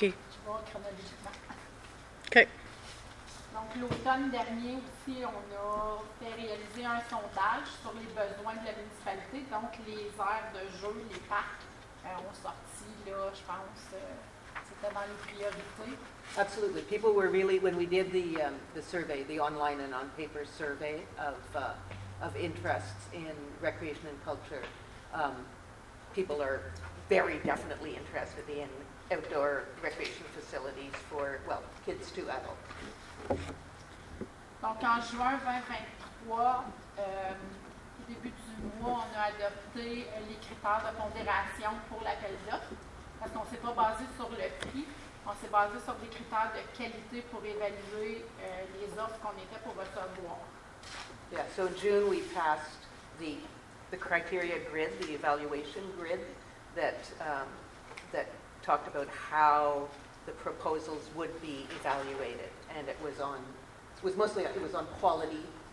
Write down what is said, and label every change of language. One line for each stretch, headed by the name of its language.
French: Je vais voir chronologiquement. OK. Donc, l'automne dernier aussi, on a fait réaliser un sondage sur les besoins de la municipalité. Donc, les aires de jeu, les parcs ont sorti, là, je pense, c'était dans les priorités.
English: Absolutely. People were really, when we did the survey, the online and on-paper survey of interests in recreation and culture. People are very definitely interested in outdoor recreation facilities for, well, kids to adults.
French: Donc, en juin 2023, au début du mois, on a adopté les critères de pondération pour l'appel d'offres. Parce qu'on ne s'est pas basé sur le prix, on s'est basé sur des critères de qualité pour évaluer les offres qu'on était pour recevoir.
English: Yeah, so in June we passed the criteria grid, the evaluation grid, that that talked about how the proposals would be evaluated, and it was mostly on quality